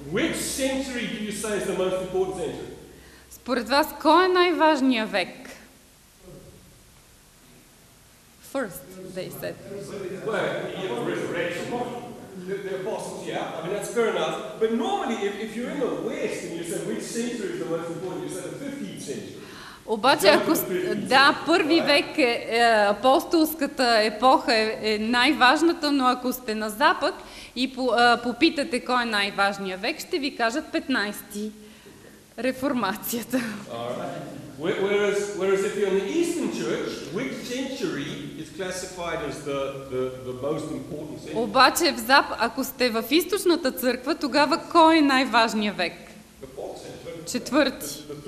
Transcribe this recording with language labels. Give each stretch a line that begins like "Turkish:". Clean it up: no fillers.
English: which century do you say is the most important century?
Bulgarian: Според вас, кой е най-важният век?
English: First, they said. Well, you have resurrection, the apostles, yeah. I mean, that's fair enough. But normally, if you're in the West and you say which century is the most important, you say the 15th century.
Bulgarian: Обаче, ако да, първи век е, апостолската епоха е най-важната, но ако сте на запад и попитате кой е най-важният век, ще ви кажат 15-ти реформацията.
English: Whereas if you're in the Eastern Church, which century is classified as the most important century?
Bulgarian: Обаче, ако сте в източната църква, тогава кой е най-важният век? Четвърти.